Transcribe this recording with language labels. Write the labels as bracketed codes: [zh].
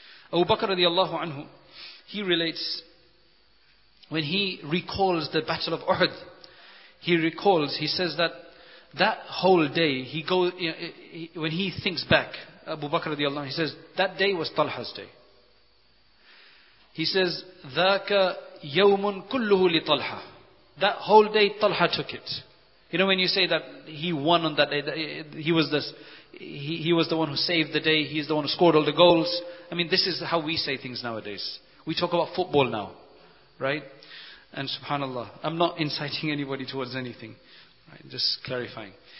[en] Abu Bakr radiallahu anhu, he relates, when he recalls the battle of Uhud, he recalls, he says that that whole day, he goes, you know, when he thinks back, Abu Bakr radiallahu anhu, he says, that day was Talha's day. He says, [ar] ذَاكَ يَوْمٌ كُلُّهُ لِطَلْحَ. [en] That whole day, Talha took it. You know when you say that he won on that day, that he was this, he was the one who saved the day, he's the one who scored all the goals. I mean, this is how we say things nowadays. We talk about football now, right? And subhanAllah, I'm not inciting anybody towards anything. Right? Just clarifying.